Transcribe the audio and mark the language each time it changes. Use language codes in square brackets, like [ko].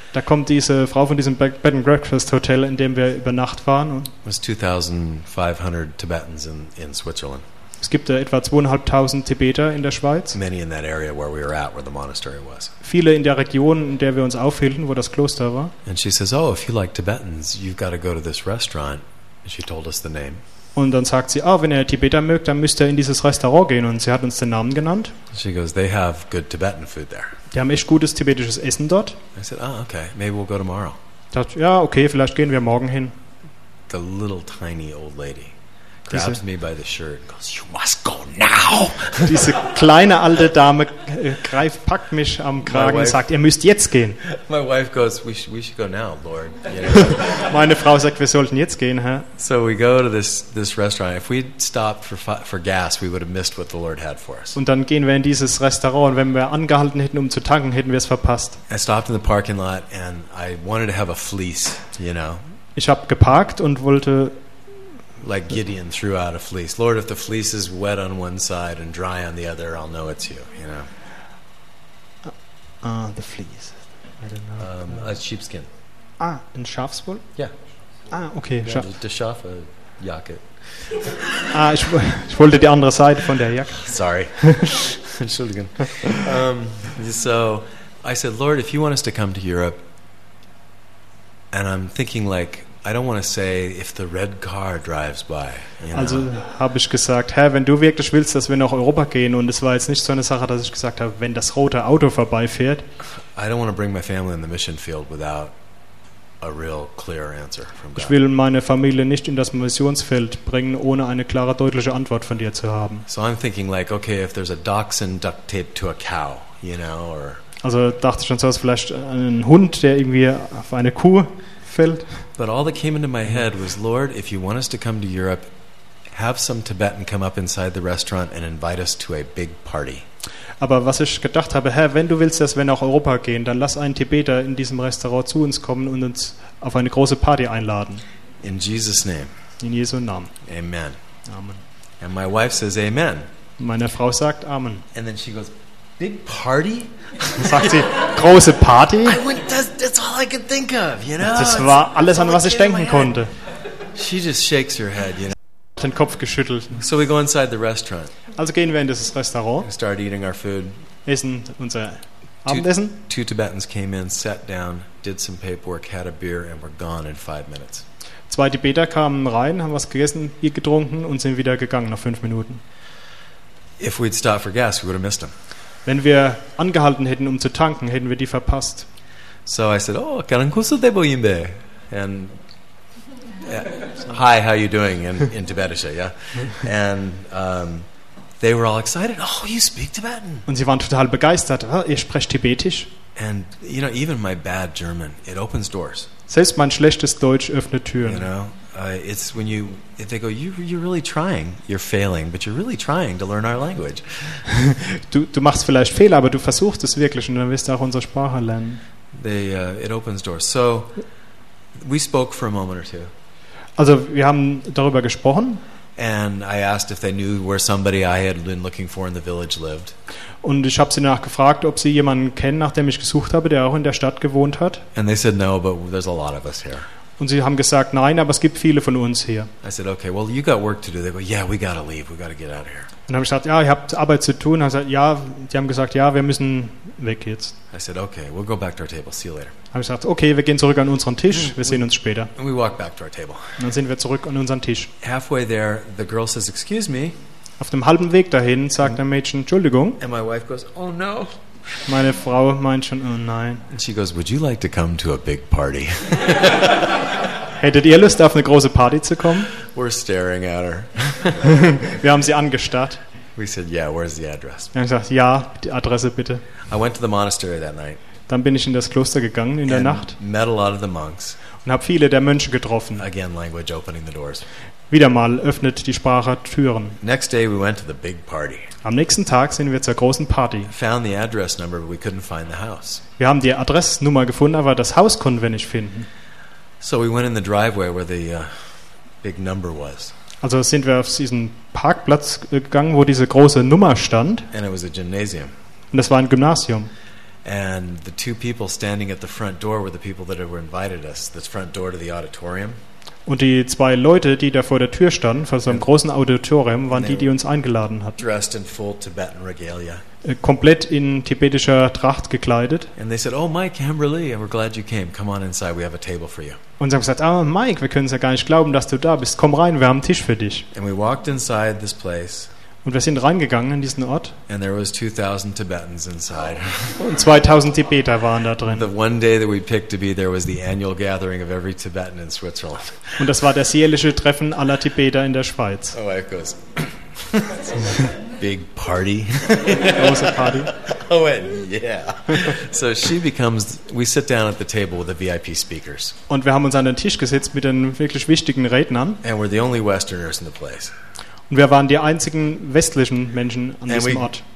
[de] Da kommt diese Frau von diesem Bed and Breakfast Hotel, in dem wir über Nacht waren. [en] It was 2,500 Tibetans in Switzerland. [de] Es gibt etwa 2,500 Tibeter in der Schweiz. [en] Many in that area where we were at, where the monastery was. [de] Viele in der Region, in der wir uns aufhielten, wo das Kloster war. [en] And she says, "Oh, if you like Tibetans, you've got to go to this restaurant." And she told us the name. [de] Und dann sagt sie, wenn ihr Tibeter mögt, dann müsst ihr in dieses Restaurant gehen. Und sie hat uns den Namen genannt. [en] She goes, "They have good Tibetan food there." [de] Die haben echt gutes tibetisches Essen dort. [en] I said, "Ah, okay, maybe we'll go tomorrow." [de] Dachte, ja, okay, vielleicht gehen wir morgen hin. [en] The little tiny old lady grabs me by the shirt and goes, "You must go now." [de] Diese kleine alte Dame packt mich am Kragen und sagt, ihr müsst jetzt gehen. [en] My wife goes, we should go now, Lord. You know? [de] Meine Frau sagt, wir sollten jetzt gehen, hä? [en] So we go to this restaurant. If we'd stopped for gas, we would have missed what the Lord had for us. [de] Und dann gehen wir in dieses Restaurant und wenn wir angehalten hätten, um zu tanken, hätten wir es verpasst. [en] I stopped in the parking lot and I wanted to have a fleece, you know. [de] Ich habe geparkt und wollte [en] like Gideon threw out a fleece. Lord, if the fleece is wet on one side and dry on the other, I'll know it's you, you know. The fleece. I don't know. A sheepskin. [de] Ah, ein Schafswoll? [en] Yeah. Ah, okay. Yeah, the Schaf jacket. [de] ich wollte die andere Seite von der Jacke. [en] Sorry. [de] Entschuldigung. [en] So I said, "Lord, if you want us to come to Europe," and I'm thinking like I don't want to say if the red car drives by. You know? [de] Also habe ich gesagt, Herr, wenn du wirklich willst, dass wir nach Europa gehen, und es war jetzt nicht so eine Sache, dass ich gesagt habe, wenn das rote Auto vorbeifährt. [en] I don't want to bring my family in the mission field without a real clear answer from God. [de] Ich will meine Familie nicht in das Missionsfeld bringen, ohne eine klare, deutliche Antwort von dir zu haben. [en] So I'm thinking like, okay, if there's a dachshund duct taped to a cow, you know, or. [de] Also dachte ich schon so, dass vielleicht ein Hund, der irgendwie auf eine Kuh. [en] But all that came into my head was, Lord, if you want us to come to Europe, have some Tibetan come up inside the restaurant and invite us to a big party. [de] Aber was ich gedacht habe, Herr, wenn du willst, dass wir nach Europa gehen, dann lass einen Tibeter in diesem Restaurant zu uns kommen und uns auf eine große Party einladen. [en] In Jesus' name. [de] In Jesu Namen. [en] Amen. [de] Amen. [en] And my wife says, Amen. [de] Meine Frau sagt, Amen. [en] And then she goes, Big party? [de] Sagt sie, große Party? [en] That's all I could think of, you know. [de] Das war alles, an was ich denken konnte. [en] She just shakes her head, you know. [de] Den Kopf geschüttelt. [en] So we go inside the restaurant. [de] Also gehen wir in dieses Restaurant. [en] We start eating our food. [de] Essen unser Abendessen. [en] Two Tibetans came in, sat down, did some paperwork, had a beer, and were gone in 5 minutes. [de] Zwei Tibeter kamen rein, haben was gegessen, Bier getrunken und sind wieder gegangen nach 5 Minuten. [en] If we'd stopped for gas, we would have missed them. [de] Wenn wir angehalten hätten, um zu tanken, hätten wir die verpasst. [en] So I said, "Oh, [bo] karankusu de boyimbe." [en] And "Hi, how are you doing?" in Tibetan, yeah. And they were all excited. "Oh, you speak Tibetan." [de] Und sie waren total begeistert. Oh, ihr sprecht Tibetisch. [en] And you know, even my bad German, it opens doors. [de] Selbst mein schlechtes Deutsch öffnet Türen. [en] You know, it's when you if they go, "You're really trying. You're failing, but you're really trying to learn our language." [de] Du machst vielleicht Fehler, aber du versuchst es wirklich und dann wirst du auch unsere Sprache lernen. [en] It opens doors. So we spoke for a moment or two. [de] Also wir haben darüber gesprochen. [en] And I asked if they knew where somebody I had been looking for in the village lived. [de] Und ich habe sie nachgefragt, ob sie jemanden kennen, nach dem ich gesucht habe, der auch in der Stadt gewohnt hat. [en] And they said no, but there's a lot of us here. [de] Und sie haben gesagt, nein, aber es gibt viele von uns hier. [en] I said, "Okay, well, you got work to do." They go, "Yeah, we got to leave. We got to get out of here." [de] Und dann habe ich gesagt, ja, ich habe Arbeit zu tun. Dann gesagt, ja, die haben gesagt, ja, wir müssen weg jetzt. [en] I said, okay, we'll go back to our table. See you later. [de] Habe ich gesagt, okay, wir gehen zurück an unseren Tisch. Wir sehen uns später. [en] And we walk back to our table. [de] Und dann sind wir zurück an unseren Tisch. [en] Halfway there, the girl says, excuse me. [de] Auf dem halben Weg dahin sagt der Mädchen, Entschuldigung. [en] And my wife goes, oh no. [de] Meine Frau meint schon, oh nein. [en] And she goes, would you like to come to a big party? [de] Hättet ihr Lust, auf eine große Party zu kommen? [en] We're staring at her. [de] Wir haben sie angestarrt. [en] We said, yeah, where's the address? [de] Wir haben gesagt, ja, die Adresse bitte. [en] I went to the monastery that night. [de] Dann bin ich in das Kloster gegangen in der Nacht. [en] Met a lot of the monks. [de] Und habe viele der Mönche getroffen. [en] Again, language opening the doors. [de] Wieder mal öffnet die Sprache Türen. [en] Next day we went to the big party. [de] Am nächsten Tag sind wir zur großen Party. [en] Found the address number, but we couldn't find the house. [de] Wir haben die Adressnummer gefunden, aber das Haus konnten wir nicht finden. [en] So we went in the driveway where the big number was. [de] Also sind wir auf diesen Parkplatz gegangen, wo diese große Nummer stand. [en] And it was a gymnasium. [de] Und das war ein Gymnasium. [en] And the two people standing at the front door were the people that were invited us. The front door to the auditorium. [de] Und die zwei Leute, die da vor der Tür standen, vor so einem großen Auditorium, waren die, die uns eingeladen hat. [en] Dressed in full Tibetan regalia. [de] Komplett in tibetischer Tracht gekleidet. [en] And they said, oh Mike, Amberly, we're glad you came. Come on inside, we have a table for you. [de] Und sie haben gesagt, oh Mike, wir können es ja gar nicht glauben, dass du da bist. Komm rein, wir haben einen Tisch für dich. [en] And we walked inside this place. [de] Und wir sind reingegangen in diesen Ort. [en] And there was 2000 Tibetans inside. [de] Und 2000 Tibeter waren da drin. [en] The one day that we picked to be there was the annual gathering of every Tibetan in Switzerland. [de] Und das war das jährliche Treffen aller Tibeter in der Schweiz. [en] Oh, wife goes, big party. [de] Große Party. [en] Oh, yeah. So she becomes, we sit down at the table with the VIP speakers. [de] Und wir haben uns an den Tisch gesetzt mit den wirklich wichtigen Rednern. [en] And we're the only Westerners in the place. [de] Und wir waren die einzigen westlichen Menschen an diesem Ort.